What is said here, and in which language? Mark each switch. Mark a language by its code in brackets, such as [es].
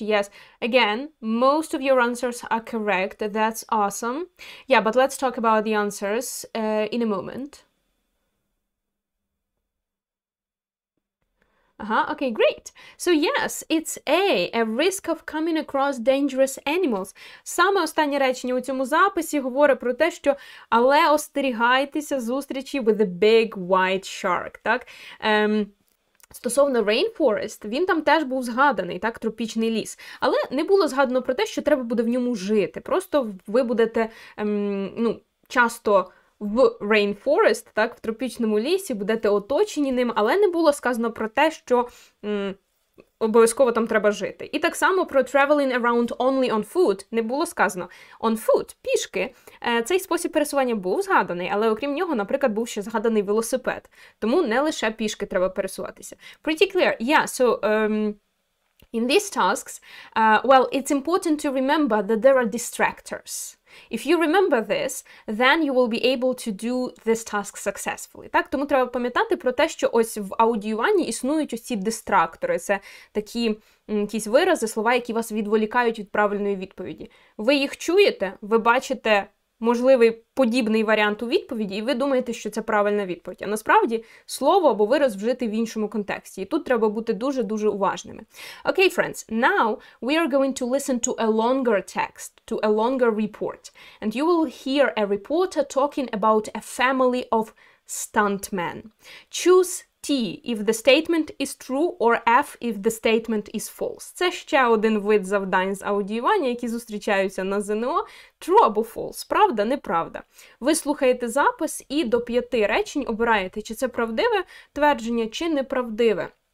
[en] Yes, again, most of your answers are correct. That's awesome. Yeah, but let's talk about the answers in a moment. Okay, great. So yes, it's a risk of coming across dangerous animals. [uk] Саме останнє речення у цьому записі говорить про те, що але остерігайтеся зустрічі [en] with a big white shark, [uk] так? Стосовно rainforest, він там теж був згаданий, так, тропічний ліс. Але не було згадано про те, що треба буде в ньому жити. Просто ви будете, часто... в rainforest, так, в тропічному лісі, будете оточені ним, але не було сказано про те, що обов'язково там треба жити. І так само про [en] traveling around only on foot [uk] не було сказано. [en] On foot, [uk] пішки, цей спосіб пересування був згаданий, але окрім нього, наприклад, був ще згаданий велосипед. Тому не лише пішки треба пересуватися. [en] Pretty clear. Yeah, so... In these tasks, it's important to remember that there are distractors. If you remember this, then you will be able to do this task successfully. [uk] Так, тому треба пам'ятати про те, що ось в аудіюванні існують ось ці дистрактори. Це такі якісь вирази, слова, які вас відволікають від правильної відповіді. Ви їх чуєте, ви бачите можливий подібний варіант у відповіді, і ви думаєте, що це правильна відповідь. А насправді слово або вираз вжити в іншому контексті. І тут треба бути дуже-дуже уважними. [en] Okay, friends, now we are going to listen to a longer text, to a longer report. And you will hear a reporter talking about a family of stuntmen. Choose T if the statement is true or F if the statement is false. [uk] Це ще один вид завдань з аудіювання, які зустрічаються на ЗНО. True або false? Правда, неправда? Ви слухаєте запис і до 5 речень обираєте, чи це правдиве твердження, чи неправдиве.